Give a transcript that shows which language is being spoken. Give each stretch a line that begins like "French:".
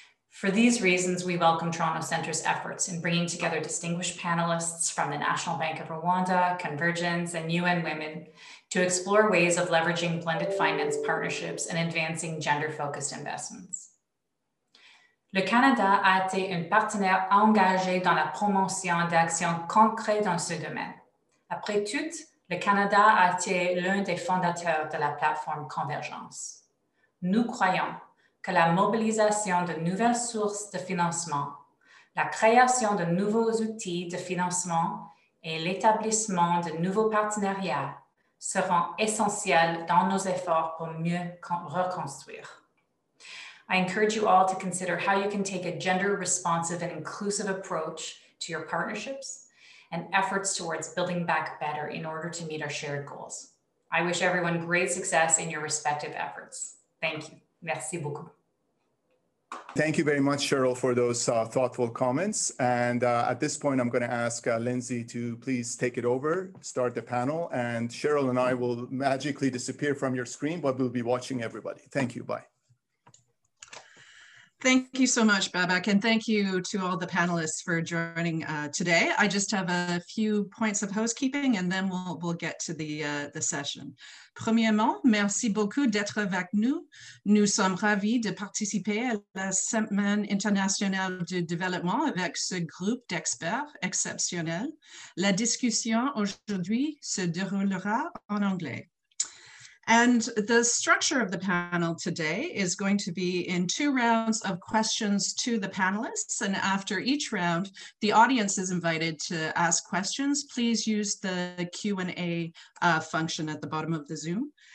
English: For these reasons, we welcome Toronto Centre's efforts in bringing together distinguished panelists from the National Bank of Rwanda, Convergence, and UN Women to explore ways of leveraging blended finance partnerships and advancing gender-focused investments.
French: Le Canada a été un partenaire engagé dans la promotion d'actions concrètes dans ce domaine. Après tout, le Canada a été l'un des fondateurs de la plateforme Convergence. Nous croyons que la mobilisation de nouvelles sources de financement, la création de nouveaux outils de financement et l'établissement de nouveaux partenariats seront essentiels dans nos efforts pour mieux reconstruire.
English: I encourage you all to consider how you can take a gender-responsive and inclusive approach to your partnerships and efforts towards building back better in order to meet our shared goals. I wish everyone great success in your respective efforts. Thank you.
French: Merci beaucoup.
English: Thank you very much, Cheryl, for those thoughtful comments. And at this point, I'm going to ask Lindsay to please take it over, start the panel, and Cheryl and I will magically disappear from your screen, but we'll be watching everybody. Thank you. Bye. Thank you so much, Babak, and thank you to all the panelists for joining today. I just have a few points of housekeeping and then we'll get to the session.
French: Premièrement, merci beaucoup d'être avec nous. Nous sommes ravis de participer à la Semaine internationale du développement avec ce groupe d'experts exceptionnel. La discussion aujourd'hui se déroulera en anglais.
English: And the structure of the panel today is going to be in two rounds of questions to the panelists. And after each round, the audience is invited to ask questions. Please use the Q&A function at the bottom of the Zoom.